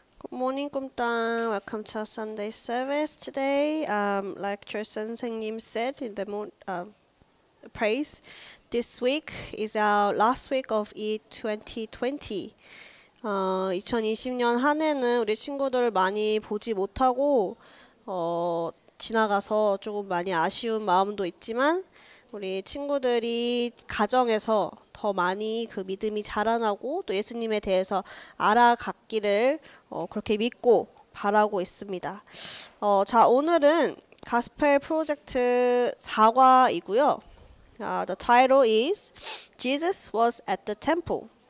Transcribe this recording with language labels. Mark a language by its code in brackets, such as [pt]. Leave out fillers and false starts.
[en] Morning, Kumtang. Welcome to our Sunday service today. Like Cho Sun Seng Yim said in the praise, this week is our last week of E2020. [ko] 2020년 한 해는 우리 친구들을 많이 보지 못하고 지나가서 조금 많이 아쉬운 마음도 있지만 우리 친구들이 가정에서 더 많이 그 믿음이 자라나고 또 예수님에 대해서 알아갔기를 그렇게 믿고 바라고 있습니다. 자, 오늘은 가스펠 프로젝트 4과이고요. [en] The title is Jesus was at the temple.